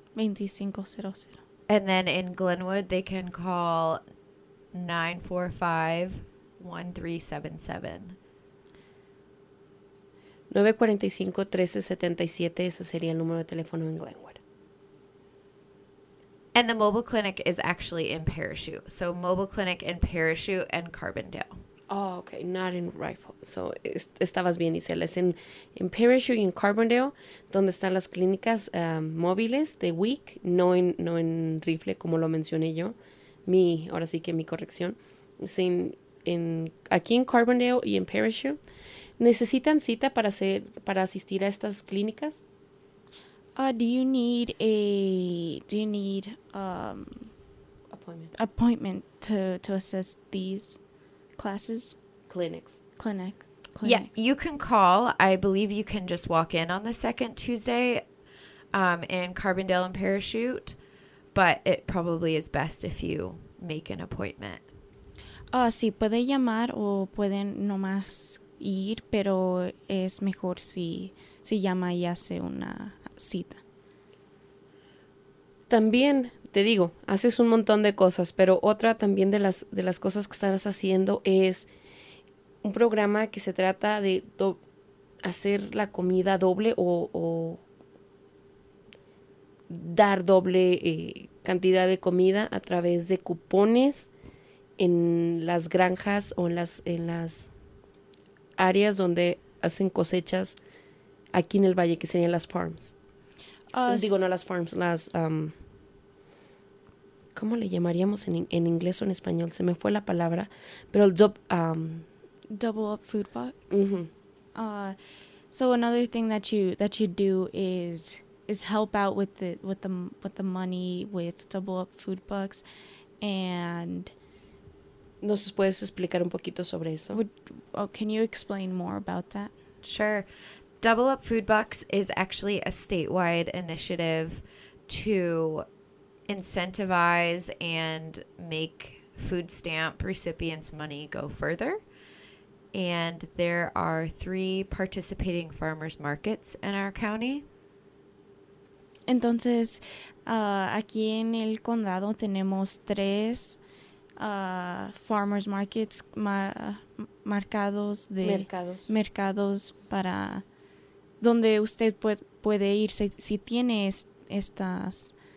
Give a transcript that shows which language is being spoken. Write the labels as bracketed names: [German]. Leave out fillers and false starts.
[English] 2500. And then in Glenwood, they can call 945-1377. [Spanish] 945-1377, ese sería el número de teléfono en Glenwood. [English] And the mobile clinic is actually in Parachute. So mobile clinic in Parachute and Carbondale. Oh, okay, not in Rifle. So [Spanish] estabas bien, [English] Isela. [Spanish] Es en Parachute y en Carbondale, donde están las clínicas móviles de WIC, no en Rifle, como lo mencioné yo. Ahora sí que mi corrección. Es aquí en Carbondale y en Parachute. ¿Necesitan cita para asistir a estas clínicas? [English] Appointment to assist these classes? Clinics. clinics? Yeah, you can call. I believe you can just walk in on the second Tuesday in Carbondale and Parachute, but it probably is best if you make an appointment. [Spanish] Ah, sí, puede llamar o pueden nomás ir, pero es mejor si llama y hace una cita. También, te digo, haces un montón de cosas, pero otra también de las cosas que estás haciendo es un programa que se trata de hacer la comida doble o dar doble cantidad de comida a través de cupones en las granjas o en las áreas donde hacen cosechas aquí en el valle, que serían las farms. Digo, no las farms, las... ¿cómo le llamaríamos en inglés o en español? Se me fue la palabra, pero el job... [English] Double up food box. Mm-hmm. So another thing that you do is help out with the money with double up food box, and. [Spanish] ¿Nos puedes explicar un poquito sobre eso? [English] Can you explain more about that? Sure, double up food box is actually a statewide initiative to incentivize and make food stamp recipients' money go further. And there are 3 participating farmers markets in our county. [Spanish] Entonces, aquí en el condado tenemos 3 farmers markets mercados para donde usted puede ir si tiene estas